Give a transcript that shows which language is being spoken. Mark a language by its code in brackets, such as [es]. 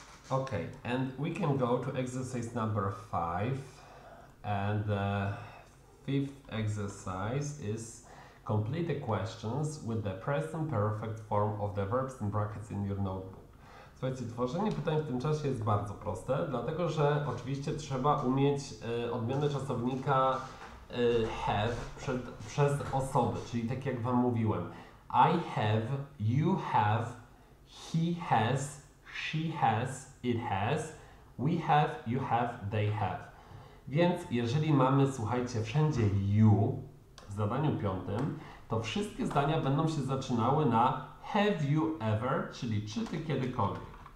[en] Okay, and we can go to exercise number 5. And the fifth exercise is complete the questions with the present perfect form of the verbs in brackets in your notebook. [pl] Słuchajcie, tworzenie pytań w tym czasie jest bardzo proste, dlatego że oczywiście trzeba umieć odmianę czasownika have przez osoby, czyli tak jak Wam mówiłem. [en] I have, you have, he has, she has, it has, we have, you have, they have. [pl] Więc jeżeli mamy, słuchajcie, wszędzie you w zadaniu piątym, to wszystkie zdania będą się zaczynały na [en] have you ever, [pl] czyli czy ty kiedykolwiek.